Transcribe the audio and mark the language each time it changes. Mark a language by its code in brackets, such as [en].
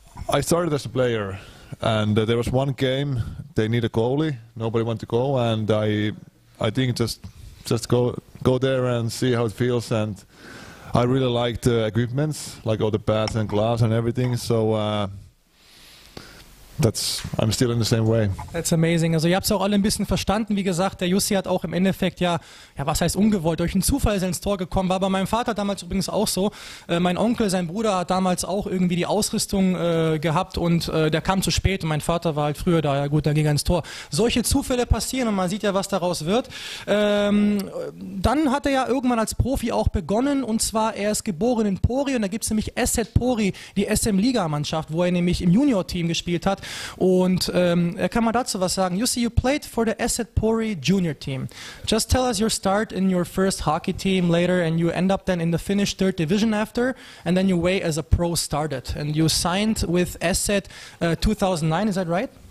[en] I started as a player, and there was one game they need a goalie, nobody wanted to go, and I think just go there and see how it feels, and I really liked the equipments, like all the bats and gloves and everything, so I'm still in the same way. That's amazing. [de] Also ihr habt es auch alle ein bisschen verstanden. Wie gesagt, der Jussi hat auch im Endeffekt was heißt ungewollt, durch einen Zufall ist er ins Tor gekommen. War bei meinem Vater damals übrigens auch so. Mein Onkel, sein Bruder, hat damals auch irgendwie die Ausrüstung gehabt und der kam zu spät und mein Vater war halt früher da. Ja gut, dann ging er ins Tor. Solche Zufälle passieren und man sieht ja, was daraus wird. Dann hat er ja irgendwann als Profi auch begonnen und zwar, er ist geboren in Pori und da gibt es nämlich SZ Pori, die SM-Liga-Mannschaft, wo er nämlich im Junior-Team gespielt hat. Und kann man dazu was sagen? [en] Jussi, you played for the SZ Pori junior team. Just tell us your start in your first hockey team later, and you end up then in the Finnish third division after, and then your way as a pro started. And you signed with SZ 2009, is that right?